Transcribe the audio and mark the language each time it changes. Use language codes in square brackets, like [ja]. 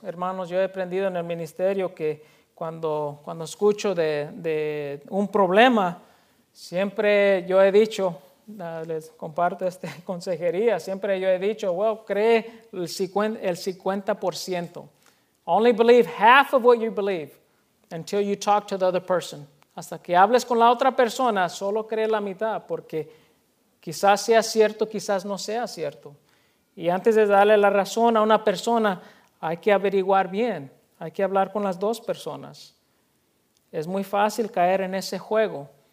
[es] Hermanos, yo he aprendido en el ministerio que cuando escucho de un problema, siempre yo he dicho, les comparto esta consejería, siempre yo he dicho, well, cree el 50%. [en] Only believe half of what you believe until you talk to the other person. [es] Hasta que hables con la otra persona, solo cree la mitad, porque quizás sea cierto, quizás no sea cierto. Y antes de darle la razón a una persona, hay que averiguar bien. Hay que hablar con las dos personas. Es muy fácil caer en ese juego.